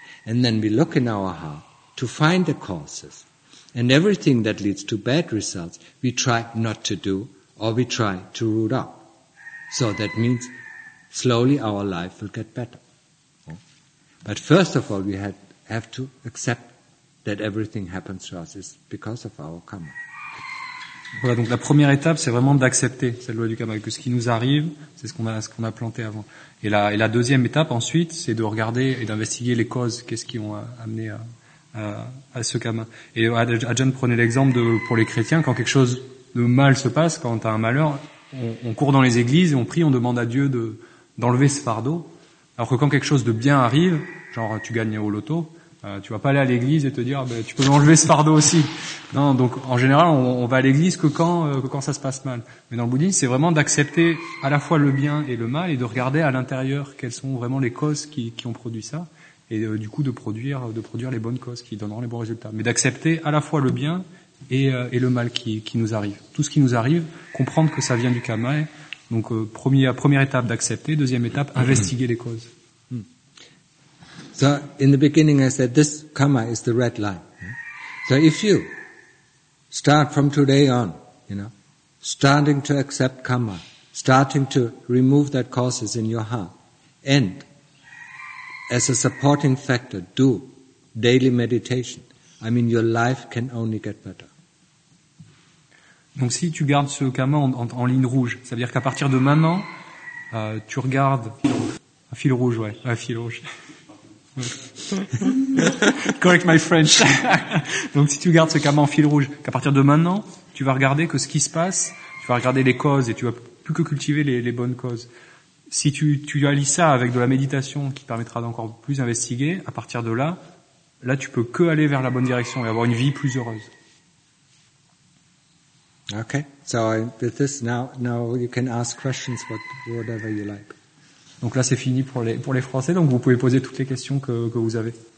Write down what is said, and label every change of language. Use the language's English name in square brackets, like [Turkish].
[English] And then we look in our heart to find the causes. And everything that leads to bad results, we try not to do, or we try to root out. So that means slowly our life will get better. But first of all, we have to accept that everything happens to us is because of our karma. [French] Voilà, donc la première étape, c'est vraiment d'accepter cette loi du karma, que ce qui nous arrive, c'est ce qu'on a planté avant. Et la deuxième étape, ensuite, c'est de regarder et d'investiguer les causes, qu'est-ce qui ont amené à ce karma. Et Ajahn prenait l'exemple de, pour les chrétiens, quand quelque chose de mal se passe, quand t'as un malheur, on court dans les églises et on prie, on demande à Dieu d'enlever ce fardeau. Alors que quand quelque chose de bien arrive, genre tu gagnes au loto, tu vas pas aller à l'église et te dire ben tu peux enlever ce fardeau aussi. Non, donc en général on va à l'église que quand ça se passe mal. Mais dans le bouddhisme, c'est vraiment d'accepter à la fois le bien et le mal et de regarder à l'intérieur quelles sont vraiment les causes qui ont produit ça et du coup de produire les bonnes causes qui donneront les bons résultats. Mais d'accepter à la fois le bien et le mal qui nous arrive. Tout ce qui nous arrive, comprendre que ça vient du karma. Donc première étape d'accepter, deuxième étape investiguer les causes. [English] So in the beginning I said this karma is the red line. So if you start from today on, you know, starting to accept karma, starting to remove that causes in your heart, and as a supporting factor do daily meditation, I mean your life can only get better. [French] Donc si tu gardes ce karma en ligne rouge, ça veut dire qu'à partir de maintenant, tu regardes un fil rouge. [English] Correct my French. [French] Donc si tu gardes ce karma en fil rouge, qu'à partir de maintenant, tu vas regarder que ce qui se passe, tu vas regarder les causes et tu vas plus que cultiver les bonnes causes. Si tu allies ça avec de la méditation qui permettra d'encore plus investiguer, à partir de là, là tu peux que aller vers la bonne direction et avoir une vie plus heureuse. [English] Okay. So with this now you can ask questions whatever you like. [French] Donc là, c'est fini pour les Français. Donc vous pouvez poser toutes les questions que vous avez.